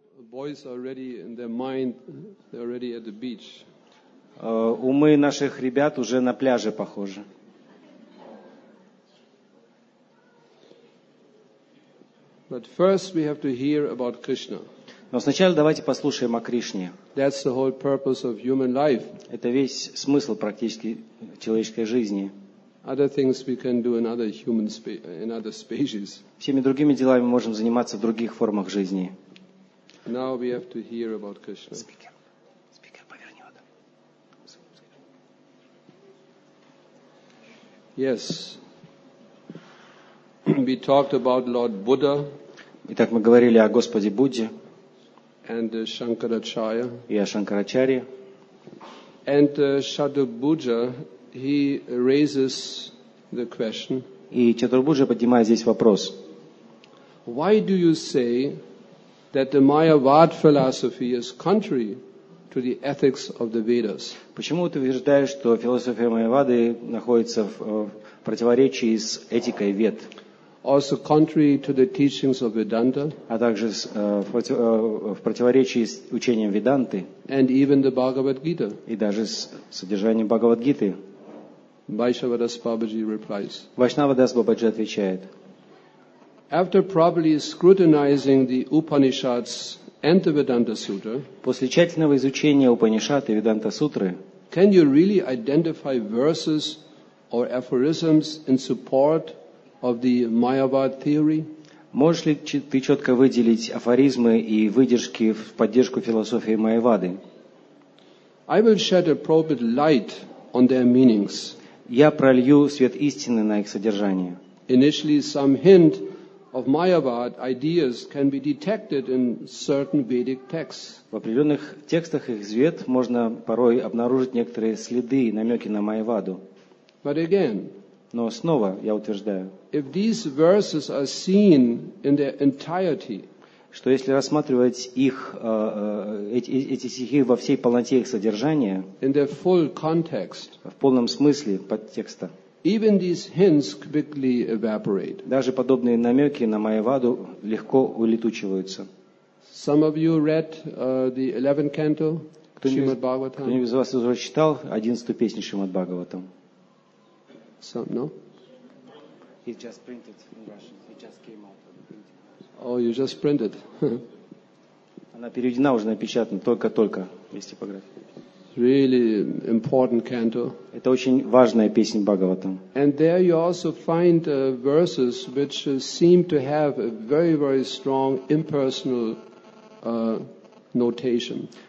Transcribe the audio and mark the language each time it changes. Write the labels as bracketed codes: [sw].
[en] boys are already in their mind, they're already at the beach. [ru] Умы наших ребят уже на пляже похожи. [en] But first we have to hear about Krishna. [ru] Но сначала давайте послушаем о Кришне. [en] That's the whole purpose of human life. [ru] Это весь смысл практически человеческой жизни. [en] Other things we can do in other human in other species. [ru] Всеми другими делами можем заниматься в других формах жизни. [en] Now we have to hear about Krishna. [ru] Спикер, поверни вот. [en] Yes. We talked about Lord Buddha. [ru] Итак, мы говорили о Господе Будде. [en] And Shankaracharya. [ru] И о Шанкарачарье. [en] And Chaturbhuja, he raises the question. [ru] И Чатурбуджа поднимает здесь вопрос. [en] Why do you say that the Mayavad philosophy is contrary to the ethics of the Vedas? [ru] Почему ты утверждаешь, что философия Майявады находится в противоречии с этикой Вед? [en] Also contrary to the teachings of Vedanta. [ru] А также в противоречии с учением Веданты. [en] And even the Bhagavad Gita. [ru] И даже с содержанием Бхагавад Гиты. [en] Vaishnava Das Babaji replies. [ru] Vaishnava Das Babaji отвечает. [en] After properly scrutinizing the Upanishads and the Vedanta Sutra, [ru] после тщательного изучения Упанишад и Веданта Сутры, [en] can you really identify verses or aphorisms in support of the Mayavad theory? [ru] Можешь ли ты четко выделить афоризмы и выдержки в поддержку философии Майявады? [en] I will shed appropriate light on their meanings. [ru] Я пролью свет истины на их содержание. [en] Initially, some hint of Mayavad ideas can be detected in certain Vedic texts. [ru] В определенных текстах их свет можно порой обнаружить некоторые следы и намеки на Майяваду. [en] But again, [ru] но снова я утверждаю, [en] if these verses are seen in their entirety, [ru] что если рассматривать их эти стихи во всей полноте их содержания, [en] in their full context, [ru] в полном смысле подтекста. [en] Even these hints quickly evaporate. [ru] Даже подобные намеки на Майяваду легко улетучиваются. [en] Some of you read the 11th canto, Shrimad Bhagavatam. [ru] Кто-нибудь из вас уже читал 11-ю песню Шримад Бхагаватам? [en] Some, no? It just printed in Russian. It just came out. Oh, you just printed. [ru] Она переведена, уже напечатана, только-только, есть типография. [en] Really important canto. [ru] Это очень важная песня Бхагаватам. [en] And there you also find verses which seem to have a very, very strong impersonal notation.